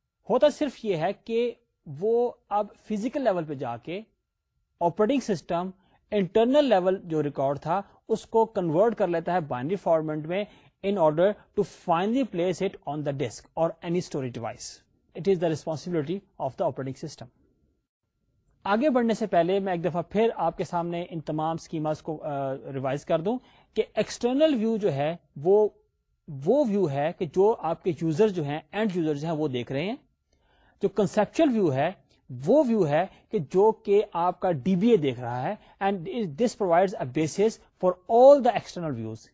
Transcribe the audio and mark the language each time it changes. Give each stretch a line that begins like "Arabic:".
Urdu: ہوتا صرف یہ ہے کہ وہ اب فزیکل لیول پہ جا کے آپریٹنگ سسٹم انٹرنل لیول جو ریکارڈ تھا اس کو کنورٹ کر لیتا ہے بائنری فارمیٹ میں
English: In order to finally place it on the disk or any storage device. It is the responsibility of the operating system.
Urdu: آگے بڑھنے سے پہلے میں ایک دفعہ پھر آپ کے سامنے ان تمام اسکیماز کو ریوائز کر دوں کہ ایکسٹرنل ویو جو ہے وہ ویو ہے کہ جو آپ کے یوزر جو ہیں اینڈ یوزر جو ہیں وہ دیکھ رہے ہیں. جو کنسپچل ویو ہے وہ ویو ہے کہ جو کہ آپ کا ڈی بی اے دیکھ رہا ہے,
English: And this provides a basis for all the external views.